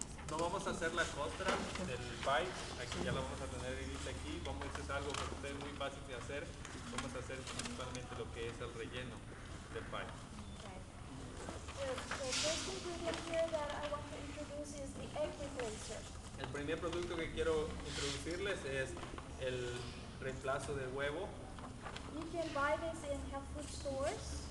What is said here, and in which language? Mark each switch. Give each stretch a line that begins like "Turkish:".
Spanish: No vamos a hacer la costra del pie, aquí ya la vamos a tener lista aquí. Esto es algo que es muy fácil de hacer. Vamos a hacer principalmente lo que es el relleno del pie.
English: Okay. The first ingredient here that I want to introduce is the egg replacer.
Spanish: El primer producto que quiero introducirles es el reemplazo de huevo.
English: You can buy this in health food stores.